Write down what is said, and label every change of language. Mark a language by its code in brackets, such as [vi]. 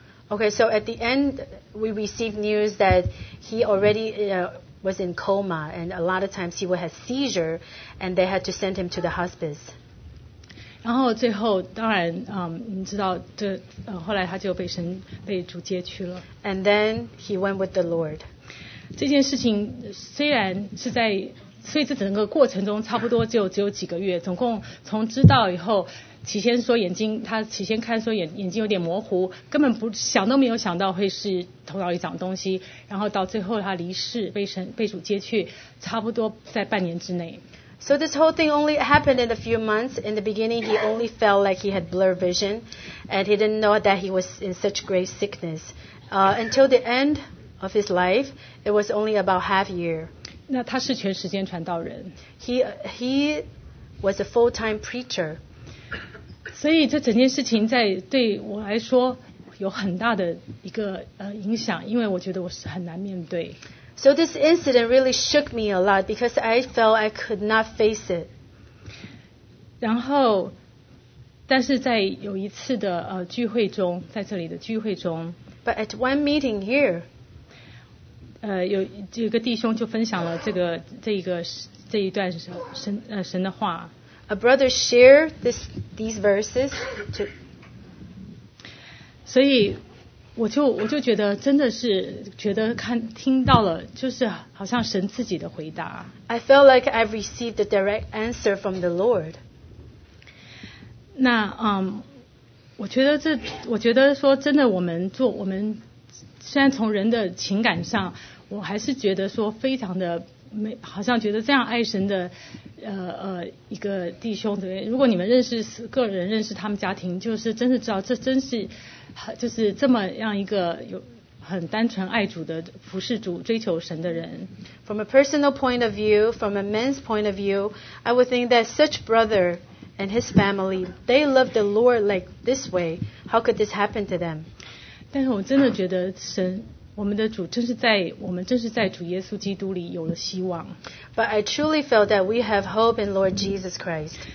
[en] Okay, so at the end, we received news that he already was in coma, and a lot of times he would have seizure, and they had to send him to the hospice. [zh] 然后最后当然，你知道这后来他就被主接去了。 [en] And then he went with the Lord. [zh] 这件事情虽然是在所以这整个过程中差不多只有几个月，总共从知道以后，起先说眼睛，他起先看说眼睛有点模糊，根本不想都没有想到会是头脑里长东西，然后到最后他离世被主接去，差不多在半年之内。 [en] So this whole thing only happened in a few months. In the beginning, he only felt like he had blurred vision, and he didn't know that he was in such great sickness. Until the end of his life, it was only about half year. [zh] 那他是全时间传道人。 [en] He was a full-time preacher. [zh] 所以这整件事情在对我来说有很大的一个影响，因为我觉得我是很难面对。 [en] So this incident really shook me a lot because I felt I could not face it. [zh] 然后，但是在有一次的聚会中，在这里的聚会中。 [en] But at one meeting here. [zh] 有一个弟兄就分享了这一段神的话。 [en] A brother shared these verses to. [zh] 所以我就觉得真的是觉得看听到了，就是好像神自己的回答。 [en] I felt like I received a direct answer from the Lord. [zh] 那我觉得说真的，我们虽然从人的情感上，我还是觉得说非常的没，好像觉得这样爱神的一个弟兄的，如果你们认识个人认识他们家庭，就是真的知道这真是。就是这么样一个有很单纯爱主的服侍主追求神的人。 [en] From a personal point of view, from a man's point of view, I would think that such brother and his family, they love the Lord like this way. How could this happen to them? [zh] 但是我真的觉得神，我们的主正是在我们正是在主耶稣基督里有了希望。 [en] But I truly felt that we have hope in Lord Jesus Christ.